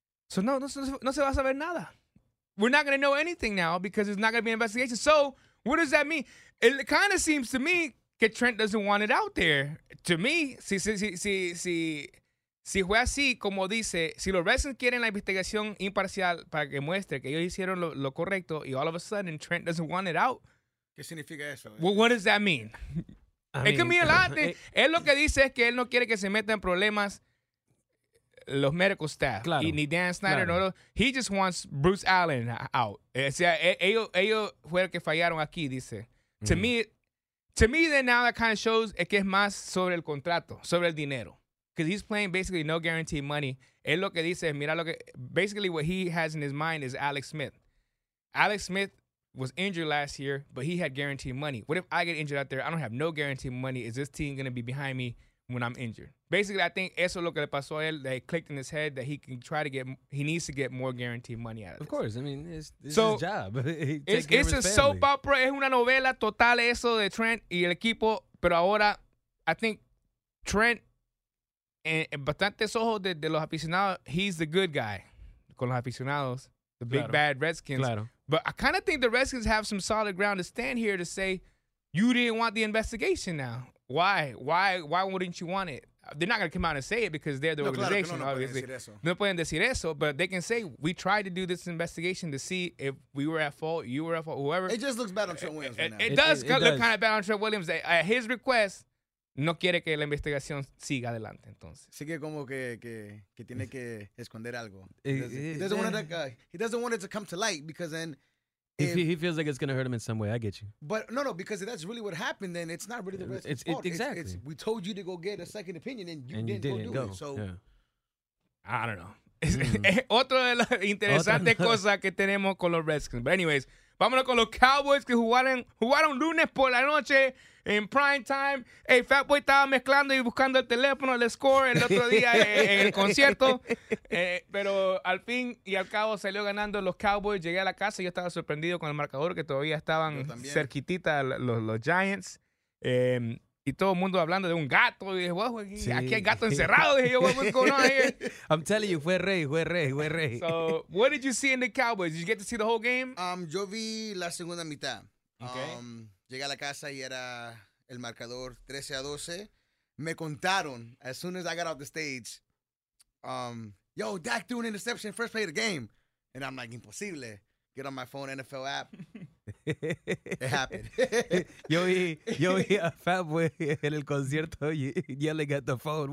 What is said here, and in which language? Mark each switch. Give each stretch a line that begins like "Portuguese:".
English: So
Spanish: no se va a saber nada.
English: We're not going to know anything now because it's not going to be an investigation. So What does that mean? It kind of seems to me que Trent doesn't want it out there. To me,
Spanish: si fue así, como dice, si los Redskins quieren la investigación imparcial para que muestre que ellos hicieron lo correcto, y
English: all of a sudden Trent doesn't want it out.
Spanish: ¿Qué significa eso?
English: Well, what does that mean?
Spanish: Él lo que dice es que él no quiere que se meta en problemas los medical staff. Claro. Y ni Dan Snyder. Claro. No,
English: he just wants Bruce Allen out.
Spanish: O sea, ellos fueron los que fallaron aquí, dice.
English: To me, then now that kind of shows
Spanish: es que es más sobre el contrato, sobre el dinero.
English: Because he's playing basically no guaranteed money.
Spanish: Él lo que dice, mira lo que...
English: Basically, what he has in his mind is Alex Smith. Alex Smith was injured last year, but he had guaranteed money. What if I get injured out there? I don't have no guaranteed money. Is this team going to be behind me when I'm injured? Basically, I think
Spanish: eso lo que le pasó a él,
English: that clicked in his head that he can try to get... He needs to get more guaranteed money out of this. Of course. I mean, it's his job. it's a soap opera.
Spanish: Es una novela total eso de Trent y el equipo. Pero ahora,
English: I think Trent...
Spanish: En bastantes ojos de los aficionados,
English: he's the good guy
Spanish: con los aficionados,
English: the big bad Redskins.
Spanish: Claro.
English: But I kind of think the Redskins have some solid ground to stand here to say, you didn't want the investigation now. Why? Why wouldn't you want it? They're not going to come out and say it because they're the organization,
Spanish: claro,
English: obviously.
Spanish: No pueden decir eso,
English: but they can say, we tried to do this investigation to see if we were at fault, you were at fault, whoever. It just looks bad on Trent Williams right now. It does look kind of bad on Trent Williams. At his request,
Spanish: no quiere que la investigación siga adelante, entonces. Sigue como que tiene que esconder algo.
English: He doesn't want it to come to light because then... He feels like it's going to hurt him in some way. I get you. But no, because if that's really what happened, then it's not really the rest of his fault. Exactly. We told you to go get a second opinion and you didn't go. So, yeah. I don't know.
Spanish: Otra de las interesantes cosas que tenemos con los Redskins.
English: But anyways,
Spanish: vámonos con los Cowboys que jugaron lunes por la noche. En prime time, hey, Fatboy estaba mezclando y buscando el teléfono, el score, el otro día en el concierto. Pero al fin y al cabo salió ganando los Cowboys. Llegué a la casa y yo estaba sorprendido con el marcador, que todavía estaban cerquitita los Giants. Y todo el mundo hablando de un gato. Y dije, wow, sí. Aquí hay gato encerrado. Y dije, yo,
English: what's going on here? I'm telling you,
Spanish: fue rey.
English: So, what did you see in the Cowboys? Did you get to see the whole game?
Spanish: Yo vi la segunda mitad.
English: Okay.
Spanish: Llegué a la casa y era el marcador 13-12. Me contaron,
English: as soon as I got off the stage, yo, Dak threw an interception first play of the game. And I'm like, imposible. Get on my phone, NFL app. It happened.
Spanish: yo vi a Fatboy en el concierto
English: yelling at the phone.